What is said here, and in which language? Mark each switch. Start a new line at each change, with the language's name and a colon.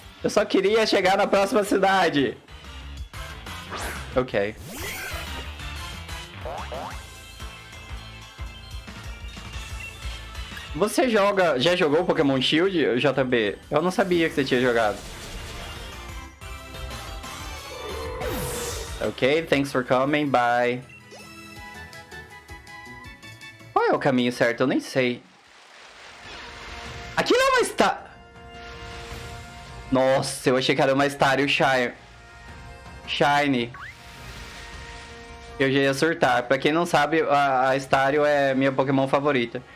Portuguese: Eu só queria chegar na próxima cidade! Ok. Você joga... Já jogou Pokémon Shield, JB? Eu não sabia que você tinha jogado.
English: Ok, thanks for coming, bye.
Portuguese: Qual é o caminho certo? Eu nem sei. Aqui não é uma Star... Nossa, eu achei que era uma Staryu Shiny. Eu já ia surtar. Pra quem não sabe, a Staryu é minha Pokémon favorita.